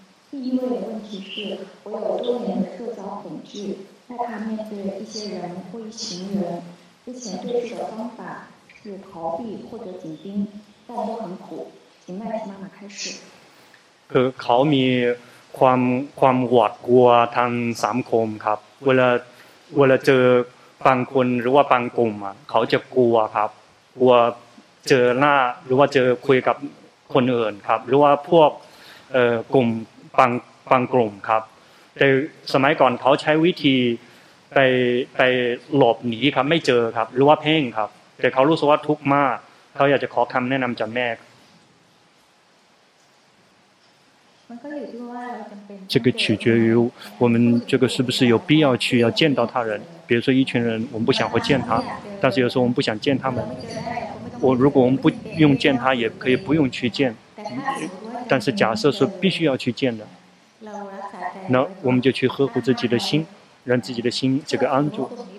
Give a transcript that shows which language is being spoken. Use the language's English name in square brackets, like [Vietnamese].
[Chinese] 第一位问题是，我有多年的社交恐惧，害怕面对一些人或一群人，之前对治的方法是逃避或者紧盯，但都很苦。请麦琪妈妈开始。 [Thai] เขามีความหวาดกลัวทางสังคมครับเวลาเจอบางคนหรือว่าบางกลุ่มเขาจะกลัวครับกลัวเจอหน้าหรือว่าเจอคุยกับคนอื่นครับหรือว่าพวกกลุ่มบางกลุ่มครับแต่สมัยก่อนเขาใช้วิธีไปหลบหนีครับไม่เจอครับหรือว่าเพ่งครับแต่เขารู้สึกว่าทุกข์มากเขาอยากจะขอคำแนะนำจากแม่ [Chinese] 这个取决于我们这个是不是有必要去要见到他人，比如说一群人我们不想会见他，但是有时候我们不想见他们，我如果我们不用见他也可以不用去见，但是假设是必须要去见的，那我们就去呵护自己的心，让自己的心这个安住。